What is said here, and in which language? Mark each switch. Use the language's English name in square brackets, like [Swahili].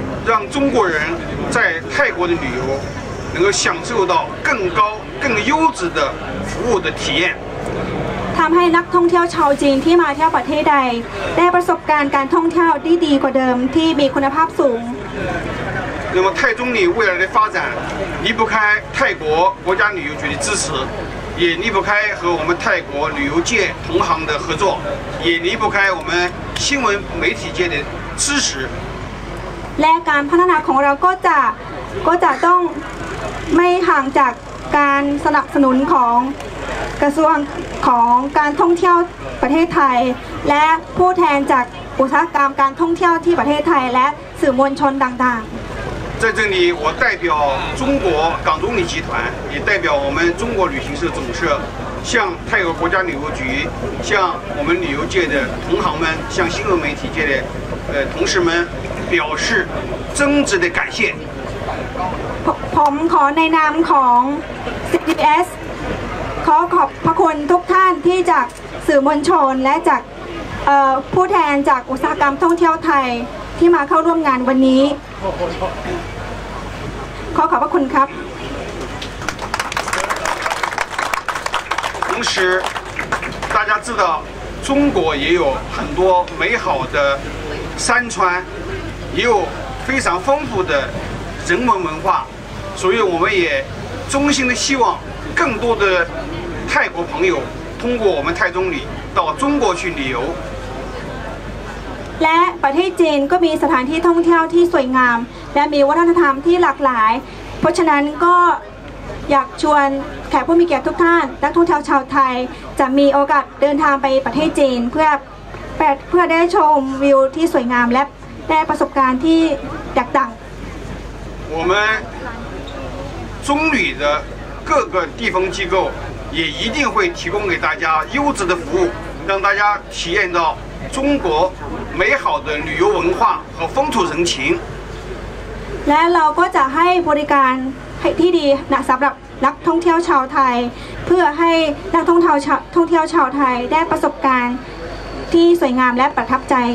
[Chinese] 让中国人在泰国的旅游能够享受到更高更优质的服务的体验 [Thai] ทำให้นักท่องเที่ยวชาวจีนที่มาเที่ยวประเทศใดได้ประสบการณ์การท่องเที่ยวที่ดีกว่าเดิมที่มีคุณภาพสูง [Chinese] 那么泰中旅未来的发展离不开泰国国家旅游局的支持也离不开和我们泰国旅游界同行的合作也离不开我们新闻媒体界的支持 [Thai] และการพัฒนาของเราก็จะต้องไม่ห่างจากการสนับสนุนของกระทรวงของการท่องเที่ยวประเทศไทยและผู้แทนจากอุตสาหกรรมการท่องเที่ยวที่ประเทศไทยและสื่อมวลชนต่าง [Chinese] ๆ在这里我代表中国港中旅集团也代表我们中国旅行社总社向泰国国家旅游局向我们旅游界的同行们向新闻媒体界的同事们表示真挚的感谢 [Thai] ผมขอในนามของ CTS ขอบพระคุณทุกท่านที่จากสื่อมวลชนและจากผู้แทนจากอุตสาหกรรมท่องเที่ยวไทยที่มาเข้าร่วมงานวันนี้ขอบพระคุณครับ [Chinese] 同时大家知道中国也有很多美好的山川也有非常丰富的人文文化所以我们也衷心的希望更多的泰国朋友通过我们泰中旅到中国去旅游 [Thai] และประเทศจีนก็มีสถานที่ท่องเที่ยวที่สวยงามและมีวัฒนธรรมที่หลากหลายเพราะฉะนั้นก็อยากชวนแขกผู้มีเกียรติทุกท่านนักท่องเที่ยวชาวไทยจะมีโอกาสเดินทางไปประเทศจีนเพื่อได้ชมวิวที่สวยงามและได้ประสบการณ์ที่แตกต่าง [Chinese] 我们中旅的各个地方机构也一定会提供给大家优质的服务让大家体验到中国美好的旅游文化和风土人情 [Thai] และเราก็จะให้บริการที่ดีนะสำหรับนักท่องเที่ยวชาวไทยเพื่อให้นักท่องเที่ยวชาวไทยได้ประสบการณ์ที่สวยงามและประทับใจ